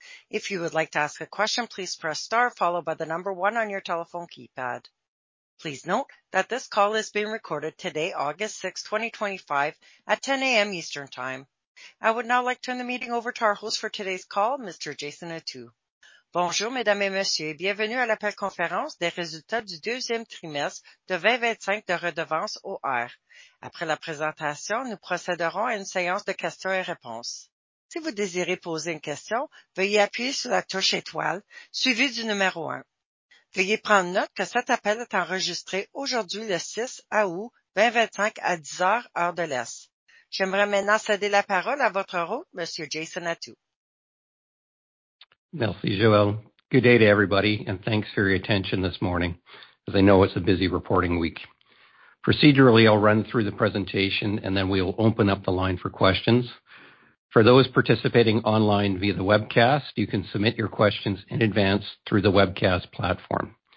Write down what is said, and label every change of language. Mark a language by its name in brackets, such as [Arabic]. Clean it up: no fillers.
[English] If you would like to ask a question, please press star followed by the number one on your telephone keypad. Please note that this call is being recorded today, August 6, 2025, at 10:00 A.M. Eastern Time. I would now like to turn the meeting over to our host for today's call, Mr. Jason Attew. [French] Bonjour, mesdames et messieurs, bienvenue à l'appel conférence des résultats du deuxième trimestre 2025 de Redevance OR. Après la présentation, nous procéderons à une séance de questions et réponses. Si vous désirez poser une question, veuillez appuyer sur la touche étoile suivie du numéro un. Veuillez prendre note que cet appel est enregistré aujourd'hui, le 6 août 2025, à 10:00 heure de l'Est. J'aimerais maintenant céder la parole à votre hôte, Monsieur Jason Attew. Merci, Joelle. [English] Good day to everybody, and thanks for your attention this morning, as I know it's a busy reporting week. Procedurally, I'll run through the presentation, and then we'll open up the line for questions. For those participating online via the webcast, you can submit your questions in advance through the webcast platform.